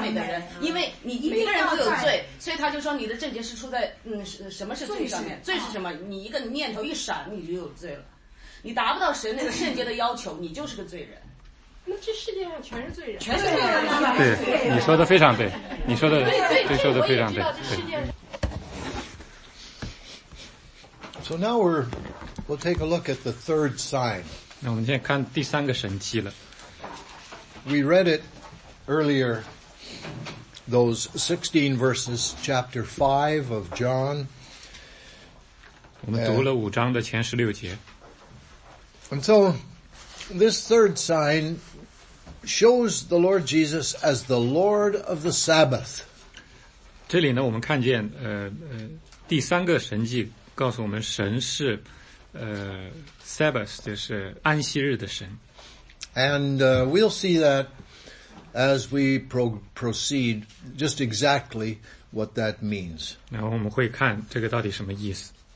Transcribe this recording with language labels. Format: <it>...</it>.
<zh>美的人，因为你每个人都有罪，所以他就说你的症结是出在什么是罪上面？罪是什么？你一个念头一闪，你就有罪了。你达不到神那个圣洁的要求，你就是个罪人。那这世界上全是罪人，全是罪人。对，你说的非常对，你说的对，说的非常对。</zh> <en>So now we'll take a look at the third sign.</en> <zh>那我们现在看第三个神迹了。</zh> <en>We read it earlier, those 16 verses, chapter 5 of John.</en> <zh>我们读了五章的前十六节。</zh> <en>And so, this third sign shows the Lord Jesus as the Lord of the Sabbath.</en> <zh>这里呢，我们看见第三个神迹。告诉我们神是Sabbath 就是安息日的神。</zh> <en>And we'll see that as we proceed just exactly what that means.</en> <zh>然后我们会看这个到底什么意思。</zh>